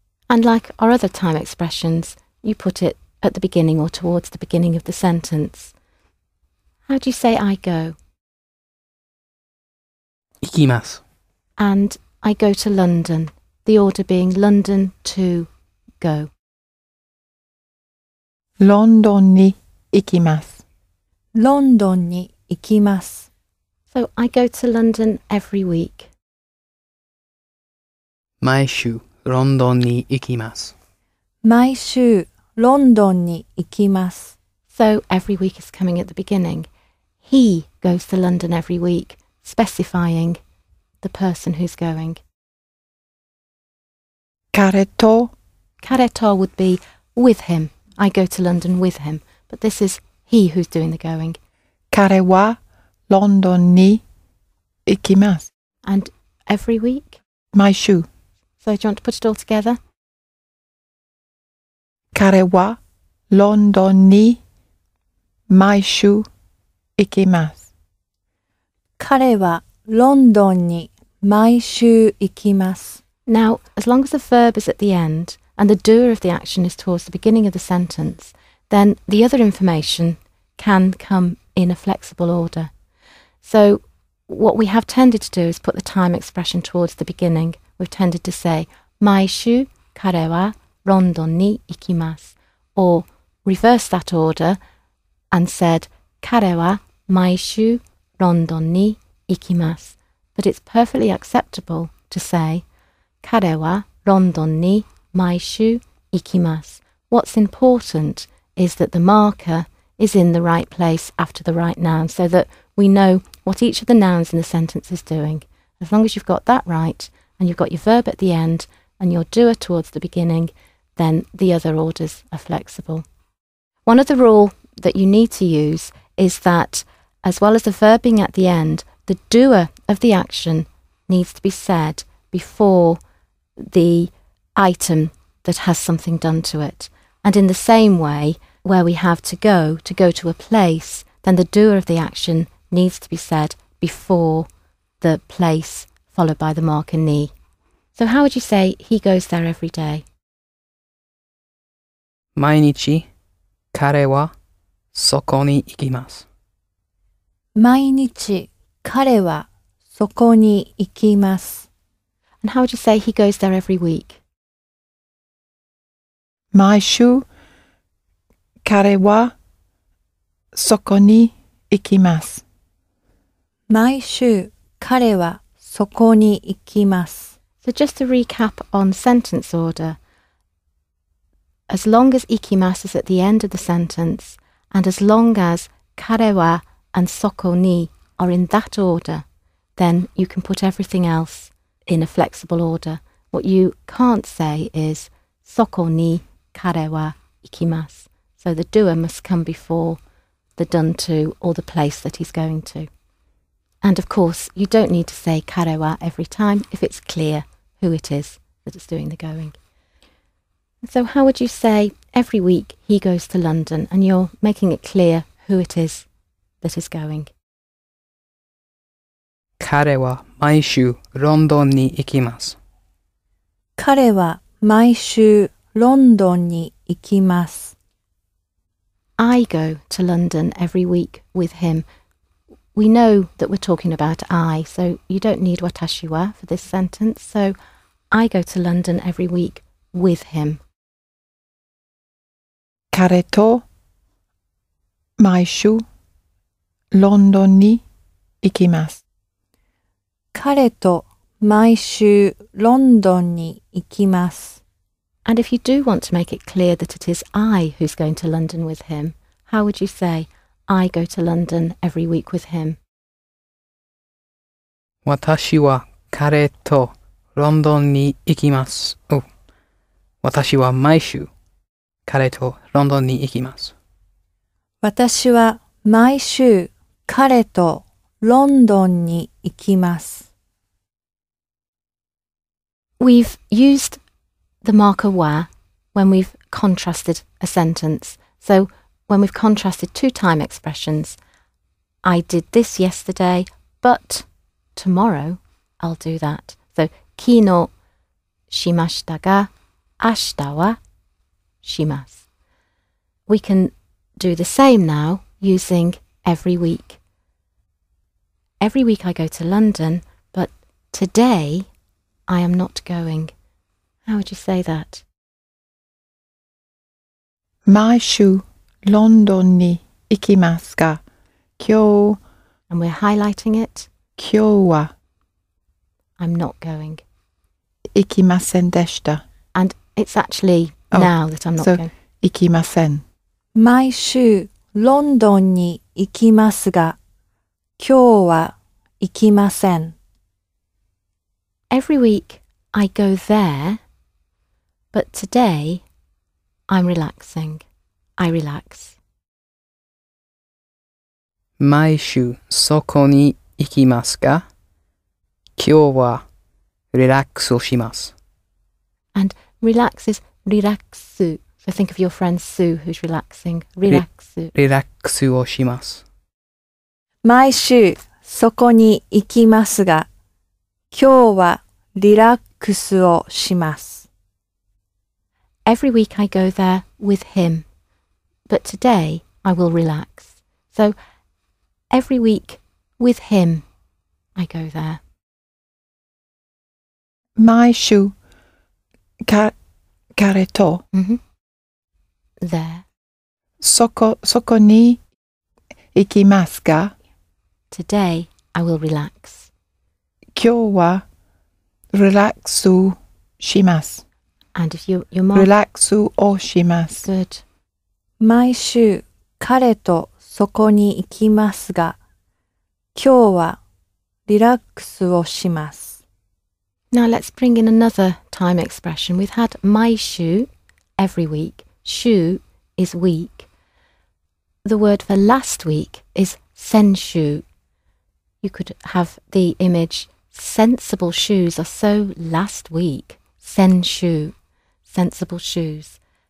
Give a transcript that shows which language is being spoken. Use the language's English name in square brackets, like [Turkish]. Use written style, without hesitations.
[English] And like our other time expressions, you put it at the beginning or towards the beginning of the sentence. How do you say I go? [Japanese] 行きます. [English] And I go to London. The order being London to go. [Japanese] London に行きます. London に行きます. [English] So I go to London every week. [Japanese] 毎週 London に行きます. 毎週 London に行きます. [English] So every week is coming at the beginning. He goes to London every week, specifying the person who's going. [Japanese] 彼と彼と [English] would be with him. I go to London with him. But this is he who's doing the going. [Japanese] 彼はロンドンに行きます。 [English] And every week? [Japanese] 毎週。 [English] So do you want to put it all together? [Japanese] 彼はロンドンに毎週行きます。彼はロンドンに毎週行きます。 [English] Now, as long as the verb is at the end and the doer of the action is towards the beginning of the sentence, then the other information can come in a flexible order. So what we have tended to do is put the time expression towards the beginning. We've tended to say, [Japanese] 毎週彼はロンドンに行きます. [English] Or reverse that order and said, [Japanese] 彼は毎週ロンドンに行きます. [English] But it's perfectly acceptable to say, [Japanese] 彼はロンドンに毎週行きます。 [English] What's important is that the marker is in the right place after the right noun so that we know what each of the nouns in the sentence is doing. As long as you've got that right and you've got your verb at the end and your doer towards the beginning, then the other orders are flexible. One other rule that you need to use is that as well as the verb being at the end, the doer of the action needs to be said before the item that has something done to it. And in the same way, where we have to go to a place, then the doer of the action needs to be said before the place, followed by the marker ni. So how would you say he goes there every day? [Japanese] 毎日 彼はそこに行きます。毎日彼はそこに行きます。 [English] And how would you say he goes there every week? [Japanese] 毎週彼はそこに行きます。毎週彼はそこに行きます。 [English] So just to recap on sentence order, as long as ikimasu is at the end of the sentence, and as long as [Japanese] kare wa [English] and [Japanese] soko ni [English] are in that order, then you can put everything else in a flexible order. What you can't say is [Japanese] soko ni kare wa ikimasu. [English] So the doer must come before the done to or the place that he's going to. And of course, you don't need to say [Japanese] kare wa [English] every time if it's clear who it is that is doing the going. So how would you say every week he goes to London and you're making it clear who it is that is going? [Japanese] 彼は毎週ロンドンに行きます。彼は毎週ロンドンに行きます。 [English] I go to London every week with him. We know that we're talking about I, so you don't need [Japanese] 私は [English] for this sentence. So I go to London every week with him. [Japanese] 彼と毎週ロンドンに行きます。彼と毎週ロンドンに行きます。 [English] And if you do want to make it clear that it is I who's going to London with him, how would you say, I go to London every week with him? [Japanese] 私は彼とロンドンに行きます。私は毎週彼とロンドンに行きます。私は毎週彼とロンドンに行きます。 [English] We've used the marker wa when we've contrasted a sentence. So when we've contrasted two time expressions, I did this yesterday, but tomorrow I'll do that. So [Japanese] 昨日しましたが明日はします。 [English] We can do the same now using every week. Every week I go to London, but today I am not going. How would you say that? [Japanese] 毎週ロンドンに行きますが、今日。 [English] And we're highlighting it. [Japanese] 今日は。 [English] I'm not going. [Japanese] 行きませんでした。 [English] And it's actually... Now that I'm not going. [Japanese] So, 行きません。毎週ロンドンに行きますが、今日は行きません。 [English] Every week I go there, but today I'm relaxing. I relax. [Japanese] 毎週そこに行きますが、今日はリラックスをします。 [English] And relax is... Relaxu. So think of your friend Sue who's relaxing. Relaxu. [Japanese] Relaxu をします。毎週そこに行きますが、今日はリラックスをします。 [English] Every week I go there with him, but today I will relax. So every week with him I go there. [Japanese] 毎週彼と、 [English] there. [Japanese] そこに行きますが? [English] Today, I will relax. [Japanese] 今日は、relax をします。 [English] And if you're more... [Japanese] relax をします。 [English] Good. [Japanese] 毎週、彼とそこに行きますが、今日は、relax をします。 [English] Now let's bring in another time expression. We've had [Japanese] 毎週, [English] every week. 週 is week. The word for last week is [Japanese] 先週. [English] You could have the image sensible shoes are so last week. [Japanese] 先週, [English] sensible shoes.